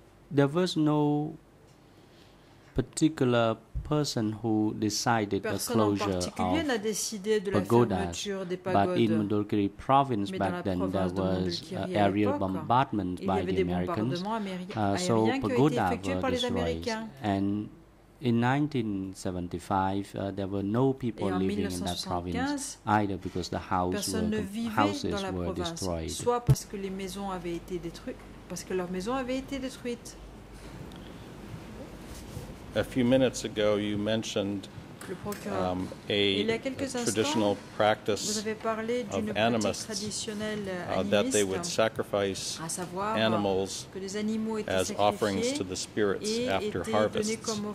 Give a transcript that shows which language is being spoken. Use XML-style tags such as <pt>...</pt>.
<en>There was no particular person who decided the closure of pagodas, but in Mondulkiri province back then there was aerial bombardment by the Americans, so pagodas were destroyed. And in 1975, there were no people living in that province either because the houses were destroyed.</en> <fr>Soit parce que les maisons avaient été détruites, parce que leurs maisons avaient été détruites.</fr> <en>A few minutes ago, you mentioned traditional practice of animists, that they would sacrifice animals as offerings to the spirits after harvests.</en>